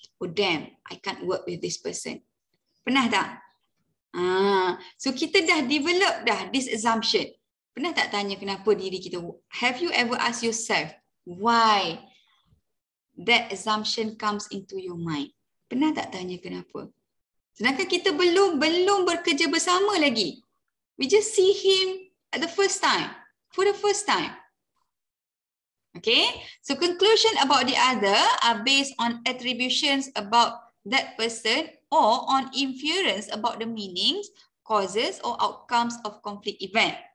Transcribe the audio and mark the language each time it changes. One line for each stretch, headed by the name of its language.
English: Oh damn, I can't work with this person.
Malay: Pernah tak? So kita dah develop dah
English: this assumption.
Malay: Pernah tak tanya kenapa diri kita?
English: Have you ever asked yourself why that assumption comes into your mind?
Malay: Pernah tak tanya kenapa? Sedangkan kita belum bekerja bersama lagi.
English: We just see him at the first time. For the first time. Okay, so conclusion about the other are based on attributions about that person or on inference about the meanings, causes or outcomes of conflict event.